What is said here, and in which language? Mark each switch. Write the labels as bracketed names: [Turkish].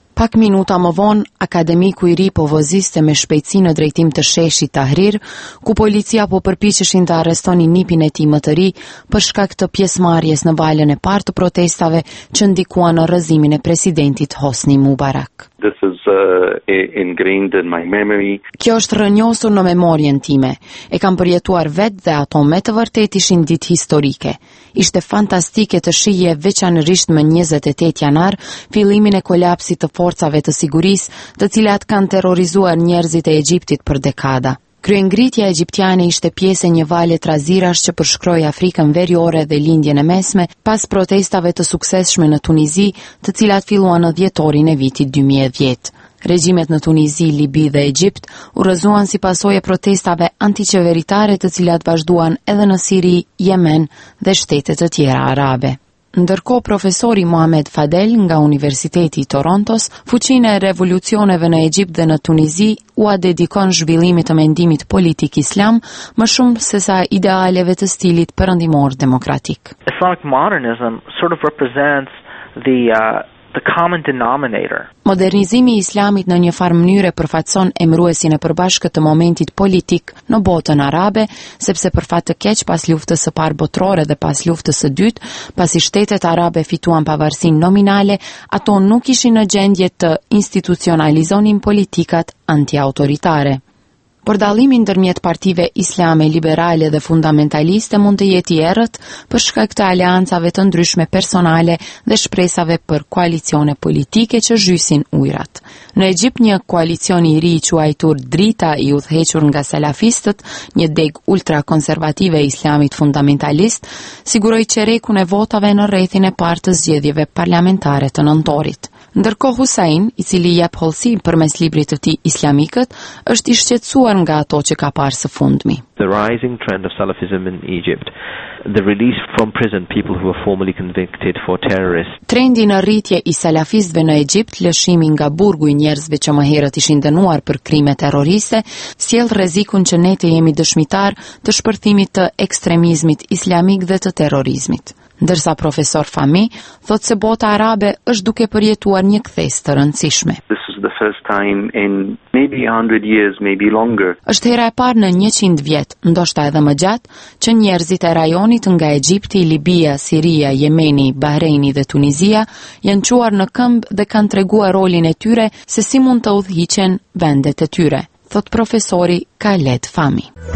[Albanian] Pak minuta më vonë, akademiku i ri po voziste me shpejtësi në drejtim të sheshit Tahrir, ku policia po përpiqeshin të arrestonin nipin e tij më të ri për shkak të pjesëmarrjes në valën e parë të protestave që ndikuan në rrëzimin e presidentit Hosni Mubarak. [English] This is ingrained in my memory. [Albanian] Kjo është rënjosur në memorien time. E kam përjetuar vetë dhe ato me të vërtet ishin ditë historike. Ishte fantastike të shije veçanërisht më 28 janar, fillimin e kolapsit të forcave të sigurisë, të cilat kanë terrorizuar njerëzit e Egjiptit për dekada. Kryengritja egjiptiane ishte pjesë e një vale trazirash që përshkroi Afrikën Veriore dhe Lindjen e Mesme pas protestave të suksesshme në Tunizi, të cilat filluan në dhjetorin e vitit 2010. Regjimet në Tunizi, Libi dhe Egjipt u rrëzuan si pasojë protestave antiqeveritare të cilat vazhduan edhe në Siri, Jemen dhe shtetet e tjera arabe. Ndërko, profesori Mohamed Fadel nga Universiteti i Torontos, fuqinë e revolucioneve në Egjipt dhe në Tunizi ua dedikon zhvillimit të mendimit politik islam më shumë se sa idealeve të stilit përëndimor demokratik. [English] Islamic modernism sort of represents the common denominator. [Albanian] Modernizimi islamit në një farë mënyre përfaqëson emëruesin e përbashkët të momentit politik në botën arabe, sepse për fat të keq pas luftës së parë botërore dhe pas luftës së dytë, pasi shtetet arabe fituan pavarësinë nominale, ato nuk ishin në gjendje të institucionalizonin politikat antiautoritare. Por dallimi ndërmjet partive islame, liberale dhe fundamentaliste mund të jetë i errët për shkak të aleancave të ndryshme personale dhe shpresave për koalicione politike që zhysin ujrat. Në Egjipt, një koalicion i ri i quajtur Drita, i udhëhequr nga salafistët, një deg ultrakonservative islamit fundamentalist, siguroi çerekun e votave në rrethin e parë të zgjedhjeve parlamentare të nëntorit. Ndërkohë Hussein, i cili jep hollësi përmes librit të tij Islamikët, është i shqetësuar nga ato që ka parë së fundmi. [English] The rising trend of Salafism in Egypt, the release from prison people who were formerly convicted for terrorists. [Albanian] Trendi në rritje i salafistëve në Egjipt, lëshimi nga burgu i njerëzve që më herët ishin dënuar për krime terroriste, sjell rrezikun që ne të jemi dëshmitar të shpërthimit të ekstremizmit islamik dhe të terrorizmit. Ndërsa profesor Fahmi thot se bota arabe është duke përjetuar një kthesë të rëndësishme. [English] This is the first time in maybe 100 years, maybe longer. [Albanian] Është hera e parë në 100 vjet, ndoshta edhe më gjatë, që njerëzit e rajonit nga Egjipti, Libia, Siria, Jemeni, Bahreini dhe Tunizia janë çuar në këmbë dhe kanë treguar rolin e tyre se si mund të udhëhiqen vendet e tyre, thot profesori Khaled Fahmi.